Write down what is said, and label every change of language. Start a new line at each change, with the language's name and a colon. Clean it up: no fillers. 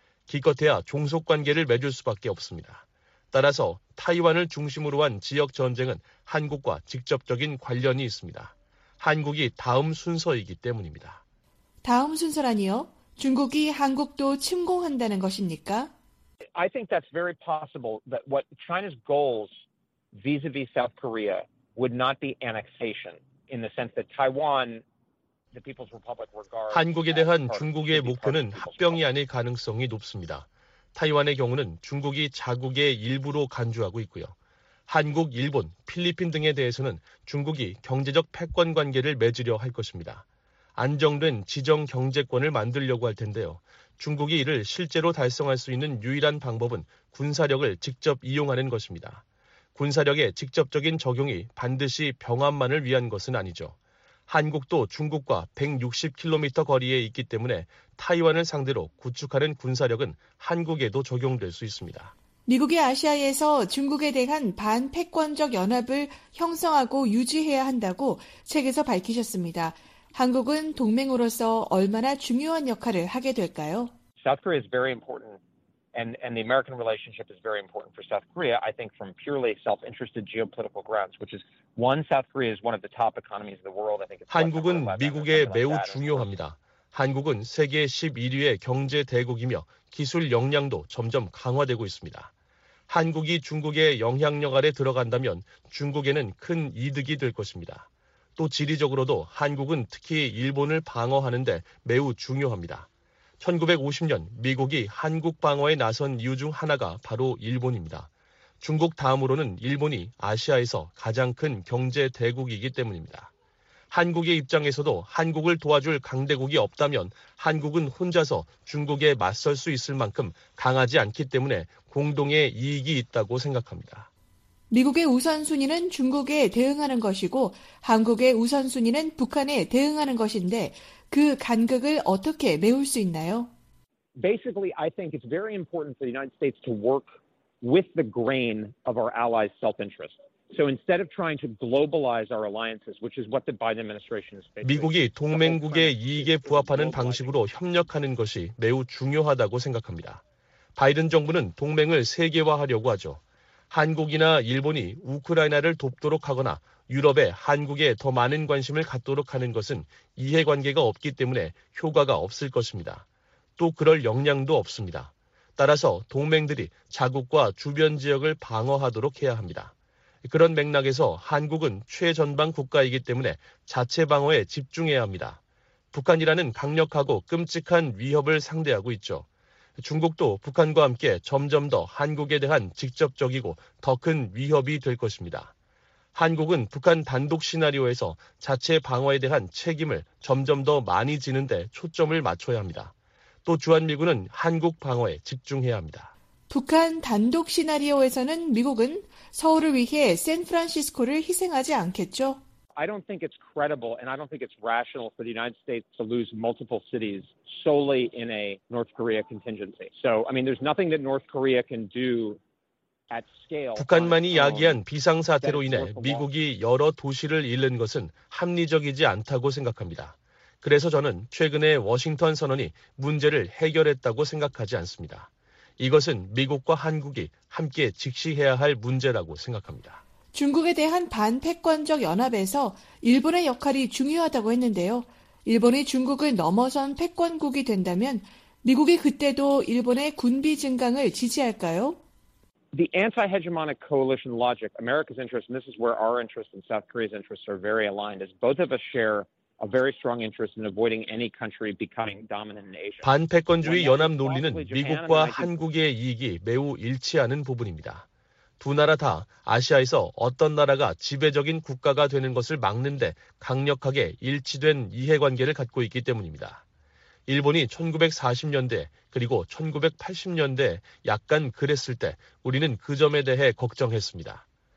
Korean: 기껏해야 종속관계를 맺을 수밖에 없습니다. 따라서 타이완을 중심으로 한 지역 전쟁은 한국과 직접적인 관련이 있습니다. 한국이 다음 순서이기 때문입니다. 다음 순서라니요? 중국이 한국도 침공한다는 것입니까?
English: I think that's very possible that what China's goals vis-a-vis South Korea would not be annexation in the sense that Taiwan the People's Republic regards
Korean: 한국에 대한 중국의 목표는 합병이 아닐 가능성이 높습니다. 타이완의 경우는 중국이 자국의 일부로 간주하고 있고요. 한국, 일본, 필리핀 등에 대해서는 중국이 경제적 패권 관계를 맺으려 할 것입니다. 안정된 지정 경제권을 만들려고 할 텐데요. 중국이 이를 실제로 달성할 수 있는 유일한 방법은 군사력을 직접 이용하는 것입니다. 군사력의 직접적인 적용이 반드시 병합만을 위한 것은 아니죠. 한국도 중국과 160km 거리에 있기 때문에 타이완을 상대로 구축하는 군사력은 한국에도 적용될 수 있습니다. 미국이 아시아에서 중국에 대한 반패권적 연합을 형성하고 유지해야 한다고 책에서 밝히셨습니다. 한국은 동맹으로서 얼마나 중요한 역할을 하게 될까요?
English: South Korea is very important and the American relationship is very important for South Korea. I think from purely self-interested geopolitical grounds, which is one South Korea is one of the top economies in the world. I think it's
Korean: 한국은 미국에 매우 중요합니다. 한국은 세계 11위의 경제 대국이며 기술 역량도 점점 강화되고 있습니다. 한국이 중국의 영향력 아래 들어간다면 중국에는 큰 이득이 될 것입니다. 또 지리적으로도 한국은 특히 일본을 방어하는 데 매우 중요합니다. 1950년 미국이 한국 방어에 나선 이유 중 하나가 바로 일본입니다. 중국 다음으로는 일본이 아시아에서 가장 큰 경제 대국이기 때문입니다. 한국의 입장에서도 한국을 도와줄 강대국이 없다면 한국은 혼자서 중국에 맞설 수 있을 만큼 강하지 않기 때문에 공동의 이익이 있다고 생각합니다. 미국의 우선순위는 중국에 대응하는 것이고 한국의 우선순위는 북한에 대응하는 것인데 그 간극을 어떻게 메울 수 있나요?
English: Basically, I think it's very important for the United States to work with the grain of our allies' self-interest. So instead of trying to globalize our alliances, which is what the Biden administration is facing.
Korean: 미국이 동맹국의 이익에 부합하는 방식으로 협력하는 것이 매우 중요하다고 생각합니다. 바이든 정부는 동맹을 세계화하려고 하죠. 한국이나 일본이 우크라이나를 돕도록 하거나 유럽에 한국에 더 많은 관심을 갖도록 하는 것은 이해관계가 없기 때문에 효과가 없을 것입니다. 또 그럴 역량도 없습니다. 따라서 동맹들이 자국과 주변 지역을 방어하도록 해야 합니다. 그런 맥락에서 한국은 최전방 국가이기 때문에 자체 방어에 집중해야 합니다. 북한이라는 강력하고 끔찍한 위협을 상대하고 있죠. 중국도 북한과 함께 점점 더 한국에 대한 직접적이고 더 큰 위협이 될 것입니다. 한국은 북한 단독 시나리오에서 자체 방어에 대한 책임을 점점 더 많이 지는 데 초점을 맞춰야 합니다. 또 주한미군은 한국 방어에 집중해야 합니다. 북한 단독 시나리오에서는 미국은 서울을 위해 샌프란시스코를 희생하지 않겠죠?
English: I don't think it's credible and I don't think it's rational for the United States to lose multiple cities solely in a North Korea contingency. So, I mean, there's nothing that North Korea can do at scale.
Korean: 북한만이 야기한 비상사태로 인해 미국이 여러 도시를 잃는 것은 합리적이지 않다고 생각합니다. 그래서 저는 최근의 워싱턴 선언이 문제를 해결했다고 생각하지 않습니다. 이것은 미국과 한국이 함께 직시해야 할 문제라고 생각합니다. 중국에 대한 반패권적 연합에서 일본의 역할이 중요하다고 했는데요. 일본이 중국을 넘어선 패권국이 된다면 미국이 그때도 일본의 군비 증강을 지지할까요?
English: The anti-hegemonic coalition logic, America's interest, and this is where our interest and South Korea's interests are very aligned, is both of us share a very strong interest in avoiding any country becoming dominant in Asia.
Korean: 반패권주의 연합 논리는 미국과 한국의 이익이 매우 일치하는 부분입니다. 두 나라 다 아시아에서 어떤 나라가 지배적인 국가가 되는 것을 막는 데 강력하게 일치된 이해관계를 갖고 있기 때문입니다. 일본이 1940년대 그리고 1980년대 약간 그랬을 때 우리는 그 점에 대해 걱정했습니다.